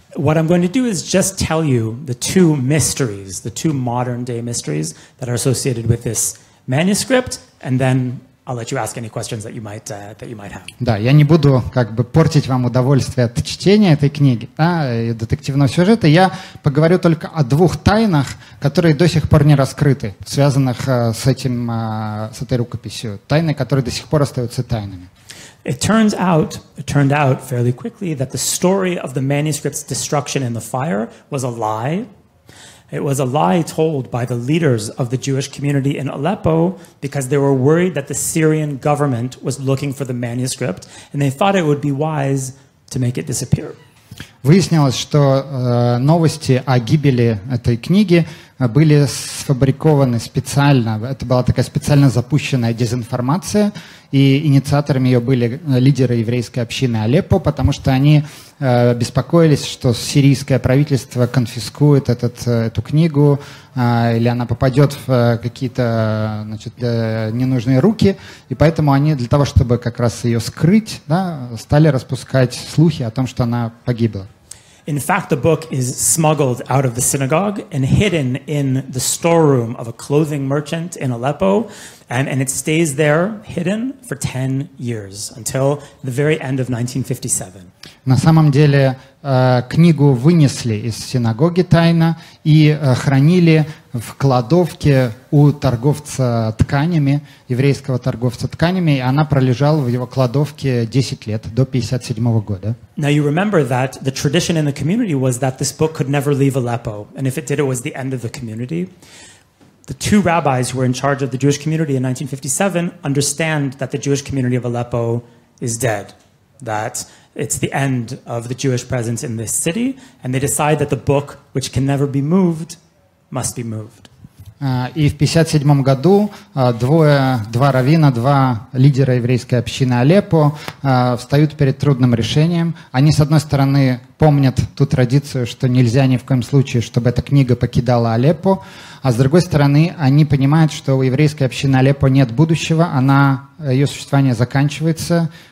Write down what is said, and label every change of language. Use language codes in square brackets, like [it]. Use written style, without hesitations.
[en] What I'm going to do is just tell you the two mysteries, the two modern-day mysteries that are associated with this manuscript, and then I'll let you ask any questions that you might have. [ru] Да, я не буду как бы портить вам удовольствие от чтения этой книги, да, детективного сюжета. Я поговорю только о двух тайнах, которые до сих пор не раскрыты, связанных с этой рукописью. Тайны, которые до сих пор остаются тайнами. [en] It turned out fairly quickly that the story of the manuscript's destruction in the fire was a lie. It was a lie told by the leaders of the Jewish community in Aleppo because they were worried that the Syrian government was looking for the manuscript and they thought it would be wise to make it disappear. [ru] Выяснилось, что новости о гибели этой книги были сфабрикованы специально. Это была такая специально запущенная дезинформация, и инициаторами ее были лидеры еврейской общины Алеппо, потому что они беспокоились, что сирийское правительство конфискует эту книгу, или она попадет в какие-то, значит, ненужные руки. И поэтому они для того, чтобы как раз ее скрыть, да, стали распускать слухи о том, что она погибла. [en] In fact, the book is smuggled out of the synagogue and hidden in the storeroom of a clothing merchant in Aleppo, and it stays there hidden for 10 years until the very end of 1957. [ru] На самом деле, книгу вынесли из синагоги тайно и хранили в кладовке у торговца тканями, еврейского торговца тканями, и она пролежала в его кладовке 10 лет, до 57 года. [en] Now you remember that the tradition in the community was that this book could never leave Aleppo, and if it did, it was the end of the community. The two rabbis who were in charge of the Jewish community in 1957 understand that the Jewish community of Aleppo is dead, that it's the end of the Jewish presence in this city, and they decide that the book, which can never be moved, must be moved. [ru] И в 57 году два раввина, два лидера еврейской общины Алеппо встают перед трудным решением. Они, с одной стороны, помнят ту традицию, что нельзя ни в коем случае, чтобы эта книга покидала Алеппо, а с другой стороны, они понимают, что у еврейской общины Алеппо нет будущего, ее существование заканчивается.